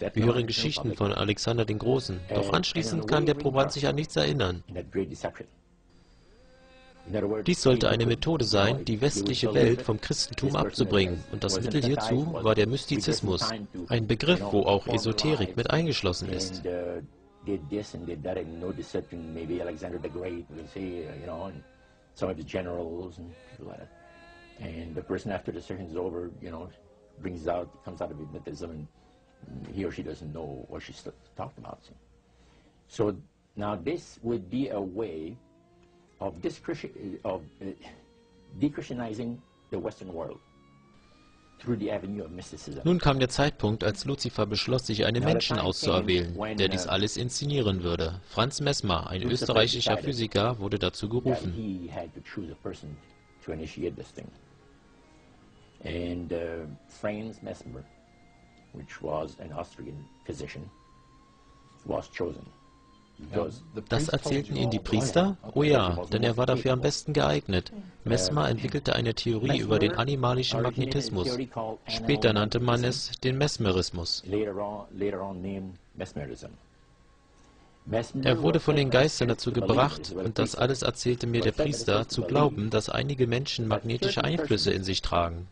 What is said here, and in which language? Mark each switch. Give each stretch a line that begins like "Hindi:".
German: Wir hören Geschichten von Alexander dem Großen. Doch anschließend kann der Proband sich an nichts erinnern. Dies sollte eine Methode sein, die westliche Welt vom Christentum abzubringen. Und das Mittel hierzu war der Mystizismus, ein Begriff, wo auch Esoterik mit eingeschlossen ist.
English: Did this and did that in no deception, maybe Alexander the Great, we'll see, you know, and some of his generals and people like that. And the person after the session is over, you know, brings out, comes out of hypnotism, and he or she doesn't know what she's talked about. See. So now this would be a way of de-Christianizing the Western world.
German: Nun kam der Zeitpunkt, als Luzifer beschloss, sich einen Menschen auszuerwählen, der dies alles inszenieren würde. Franz Messmer, ein österreichischer Physiker, wurde dazu gerufen.
English: to initiate this thing. And Franz Mesmer, which was an Austrian physician, was chosen.
German: Das erzählten ihn die Priester? Oh ja, denn er war dafür am besten geeignet. Mesmer entwickelte eine Theorie über den animalischen Magnetismus. Später nannte man es den Mesmerismus. Er wurde von den Geistern dazu gebracht, und das alles erzählte mir der Priester, zu glauben, dass einige Menschen magnetische Einflüsse in sich tragen.